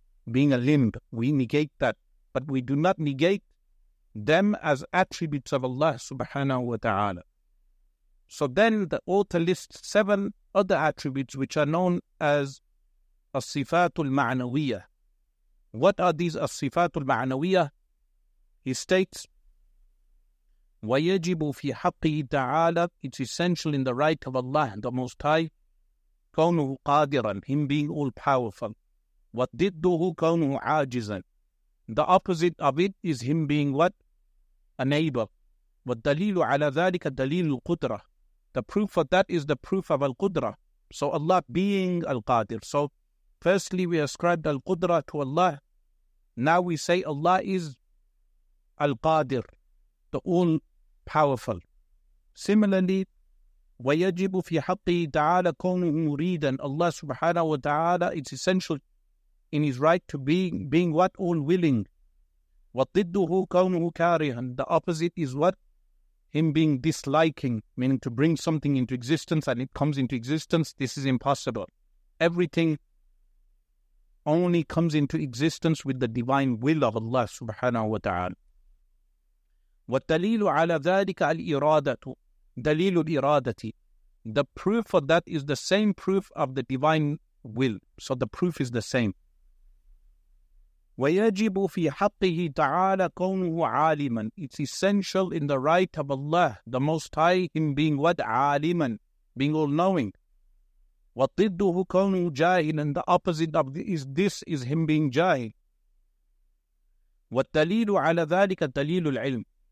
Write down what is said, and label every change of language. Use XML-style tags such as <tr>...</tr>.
<en>Being a limb, we negate that. But we do not negate them as attributes of Allah subhanahu wa ta'ala. So then the author lists seven other attributes which are known as as-sifatul ma'nawiyah. What are these as-sifatul ma'nawiyah? He states,</en> <ar>وَيَجِبُ فِي حَقِّهِ تَعَالَى.</ar> <en>It's essential in the right of Allah, the Most High.</en> <ar>كَوْنُهُ قَادِرًا.</ar> <en>Him being all-powerful.</en> <ar>وَدِدُّهُ كَوْنُهُ عَاجِزًا.</ar> <en>The opposite of it is him being what? Unable.</en> <ar>وَالدَّلِيلُ عَلَى ذَلِكَ دَلِيلُ الْقُدْرَةِ.</ar> <en>The proof of that is the proof of Al-Qudra. So Allah being Al-Qadir. So firstly we ascribed Al-Qudra to Allah. Now we say Allah is Al-Qadir, the all-powerful. Similarly,</en> <ar>وَيَجِبُ فِي حَقِّهِ تَعَالَى كَوْنُهُ مُرِيدًا.</ar> <en>Allah subhanahu wa ta'ala, it's essential in his right to being what? All-willing.</en> <ar>وَضِدُّهُ كَوْنُهُ كَارِهًا.</ar> <en>The opposite is what? Him being disliking, meaning to bring something into existence and it comes into existence. This is impossible. Everything only comes into existence with the divine will of Allah subhanahu wa ta'ala.</en> <ar>وَالْدَلِيلُ عَلَى ذَٰلِكَ الْإِرَادَةُ. دَلِيلُ الْإِرَادَةِ.</ar> <en>The proof of that is the same proof of the divine will. So the proof is the same.</en> <ar>وَيَجِبُ فِي حَقِّهِ تَعَالَى كَوْنُهُ عَالِمًا.</ar> <en>It's essential in the right of Allah, the Most High, him being what?</en> <ar>عَالِمًا.</ar> <en>Being all-knowing.</en> <ar>وَطِدُّهُ كَوْنُهُ جَاهِلًا.</ar> <en>And the opposite of this is him being jahil.</en> <ar>وَالْدَلِيلُ عَلَى ذَٰلِكَ دَلِيلُ الْعِلْمِ.</ar>